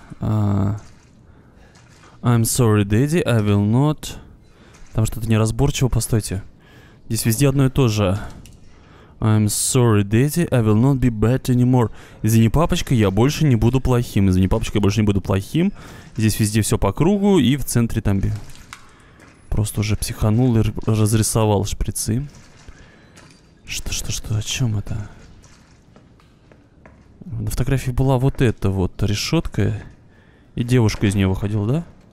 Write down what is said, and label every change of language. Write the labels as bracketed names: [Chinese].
[English] I'm sorry, daddy, I will not. [Russian] Там что-то неразборчиво, постойте. Здесь везде одно и то же. [English] I'm sorry, daddy, I will not be bad anymore. [Russian] Извини, папочка, я больше не буду плохим. Извини, папочка, я больше не буду плохим. Здесь везде все по кругу и в центре там... Просто уже психанул и разрисовал шприцы. Что-что-что, о чем это? На фотографии была вот эта вот решетка. И девушка из нее выходила, да?